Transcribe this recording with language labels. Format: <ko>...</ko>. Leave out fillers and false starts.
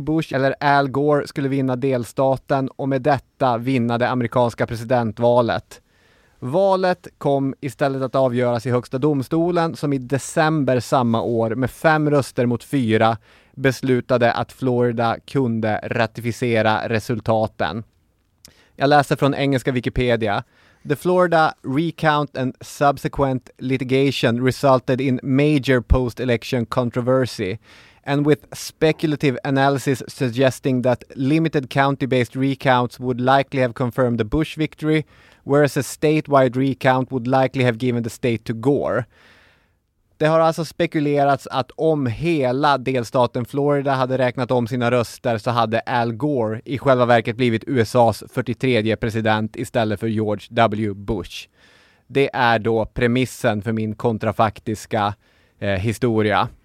<sv>Bush eller Al Gore skulle vinna delstaten och med detta vinna det amerikanska presidentvalet. Valet kom istället att avgöras i högsta domstolen som i december samma år med 5-4 beslutade att Florida kunde ratificera resultaten. Jag läser från engelska Wikipedia.</sv> <en>The Florida recount and subsequent litigation resulted in major post-election controversy and with speculative analysis suggesting that limited county-based recounts would likely have confirmed the Bush victory, whereas a statewide recount would likely have given the state to Gore.</en> <sv>Det har alltså spekulerats att om hela delstaten Florida hade räknat om sina röster så hade Al Gore i själva verket blivit USAs 43:e president istället för George W. Bush. Det är då premissen för min kontrafaktiska historia.</sv>